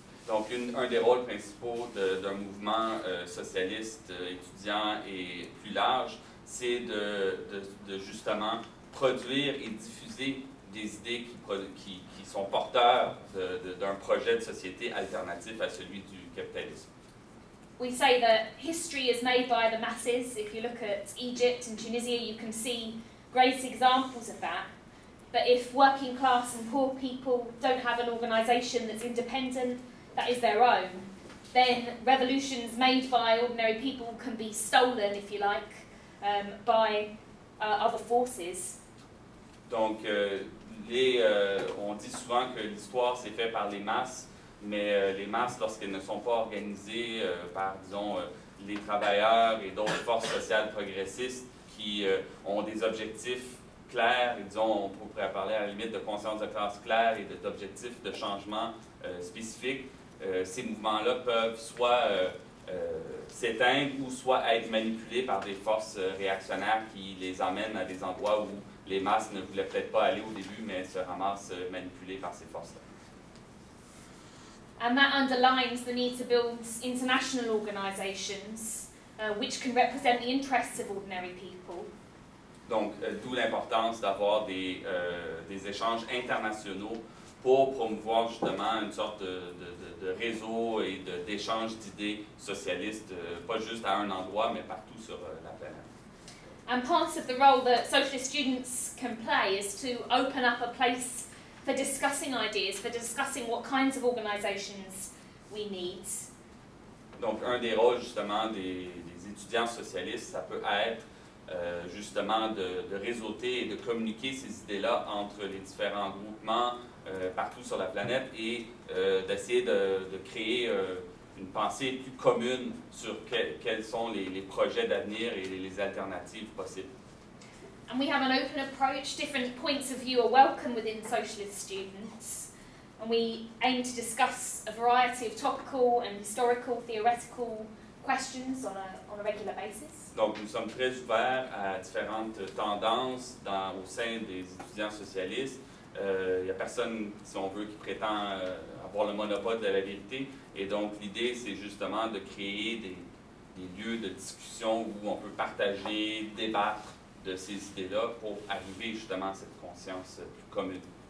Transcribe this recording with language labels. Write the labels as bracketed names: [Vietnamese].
[French] Donc un des rôles principaux d'un mouvement socialiste étudiant et plus large, c'est de justement produire et diffuser des idées qui sont porteurs d'un projet de société alternatif à celui du capitalisme. [English] We say that history is made by the masses. If you look at Egypt and Tunisia, you can see great examples of that. But if working class and poor people don't have an organisation that's independent, that is their own, then revolutions made by ordinary people can be stolen, if you like, by other forces. [French] Donc, on dit souvent que l'histoire s'est faite par les masses. Mais les masses, lorsqu'elles ne sont pas organisées par, disons, les travailleurs et d'autres forces sociales progressistes qui ont des objectifs clairs, et, disons, on pourrait parler à la limite de conscience de classe claire et d'objectifs de changement spécifiques, ces mouvements-là peuvent soit s'éteindre ou soit être manipulés par des forces réactionnaires qui les amènent à des endroits où les masses ne voulaient peut-être pas aller au début, mais se ramassent manipulées par ces forces-là. [English] And that underlines the need to build international organizations which can represent the interests of ordinary people. [French] Donc, d'où l'importance d'avoir des échanges internationaux pour promouvoir justement une sorte de réseau et d'échange d'idées socialistes, pas juste à un endroit, mais partout sur la planète. [English] And part of the role that socialist students can play is to open up a place for discussing ideas, for discussing what kinds of organizations we need. [French] Donc, un des rôles, justement, des étudiants socialistes, ça peut être, justement, de réseauter et de communiquer ces idées-là entre les différents groupements partout sur la planète et d'essayer de créer une pensée plus commune sur quels sont les projets d'avenir et les alternatives possibles. [English] And we have an open approach. Different points of view are welcome within socialist students. And we aim to discuss a variety of topical and historical theoretical questions on a regular basis. [French] Donc, nous sommes très ouverts à différentes tendances au sein des étudiants socialistes. Il n'y a personne, si on veut, qui prétend avoir le monopole de la vérité. Et donc, l'idée, c'est justement de créer des lieux de discussion où on peut partager, débattre de ces idées-là pour arriver justement à cette conscience plus commune.